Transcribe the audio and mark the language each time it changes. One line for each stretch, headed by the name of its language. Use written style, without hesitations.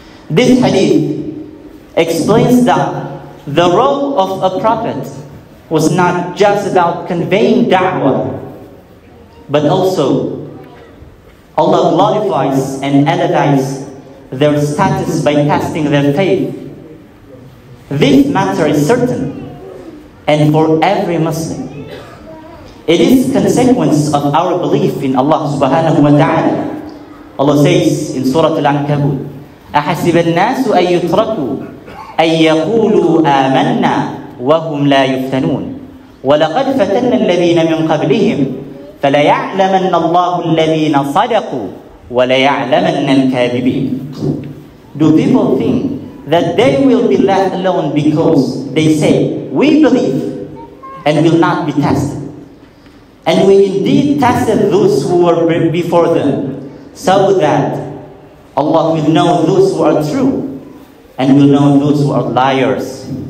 English: This hadith explains that the role of a prophet was not just about conveying da'wah, but also Allah glorifies and elevates their status by testing their faith. This matter is certain, and for every Muslim. It is consequence of our belief in Allah subhanahu wa ta'ala. Allah says in Surah Al-Ankabut,
Arabic: أحسب الناس أن يتركوا أن يقولوا آمنا وهم لا يفتنون ولقد فتن الذين من قبلهم فليعلمن الله الذين صدقوا وليعلمن الكاذبين.
English: Do people think that they will be left alone because they say, we believe and will not be tested? And we indeed tested those who were before them, so that Allah will know those who are true and will know those who are liars.